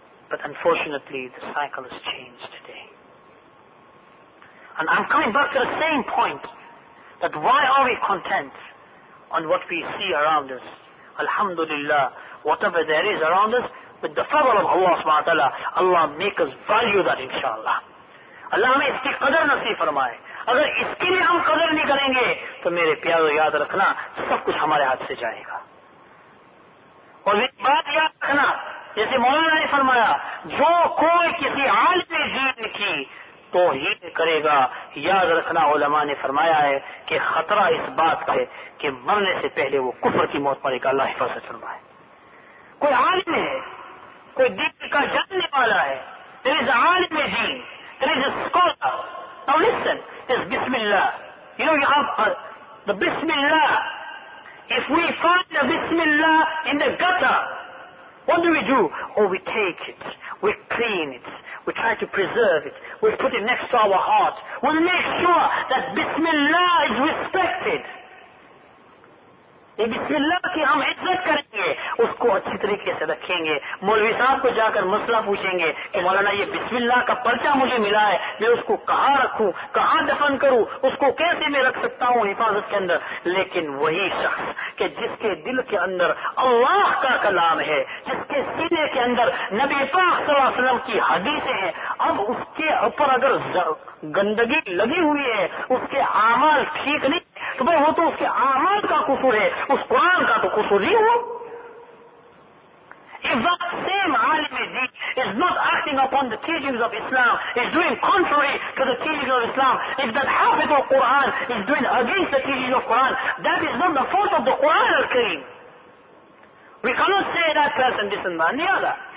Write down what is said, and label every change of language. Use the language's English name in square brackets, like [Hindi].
[English] But unfortunately, the cycle has changed today. And I'm coming back to the same point, that why are we content on what we see around us? Alhamdulillah, whatever there is around us, with the favor of Allah subhanahu wa ta'ala, Allah make us value that, inshallah. [Urdu] اللہ ہمیں اس کی قدر نصیب فرمائے. اگر اس کے لیے ہم قدر نہیں کریں گے, تو میرے پیارو یاد رکھنا, سب کچھ ہمارے ہاتھ سے جائے گا. اور ایک بات یاد رکھنا, جیسے مولانا نے فرمایا, جو کوئی کسی عالم دین کی توہین کرے گا, یاد رکھنا, علما نے فرمایا ہے کہ خطرہ اس بات کا ہے کہ مرنے سے پہلے وہ کفر کی موت مرے گا. اللہ حفاظت فرمائے. کوئی عالم ہے, کوئی دین کا جاننے والا ہے, there is Alam then, [English] there is a scholar. Now listen, this bismillah, you know, you have the bismillah. If we find the bismillah in the gutter, what do? Oh, we take it, we clean it, we try to preserve it, we put it next to our heart, we make sure that bismillah is respected. [Urdu] بسم اللہ کی ہم عزت کریں گے, اس کو اچھے طریقے سے رکھیں گے. مولوی صاحب کو جا کر مسئلہ پوچھیں گے کہ مولانا یہ بسم اللہ کا پرچہ مجھے ملا ہے, میں اس کو کہاں رکھوں, کہاں دفن کروں, اس کو کیسے میں رکھ سکتا ہوں حفاظت کے اندر. لیکن وہی شخص کہ جس کے دل کے اندر اللہ کا کلام ہے, جس کے سینے کے اندر نبی پاک صلی اللہ علیہ وسلم کی حدیث ہے, اب اس کے اوپر اگر گندگی لگی ہوئی ہے, اس کے عمل ٹھیک نہیں, تو بھائی وہ تو اس کے اعمال کا قصور ہے, اس قرآن کا تو قصور نہیں ہو. [English] If that same alim is not acting upon the teachings of Islam, is doing contrary to the teachings of Islam, if that hafiz of Quran is doing against the teachings of Quran, that is not the fault of the Quran al-Kareem. We cannot say that person this and that and the other.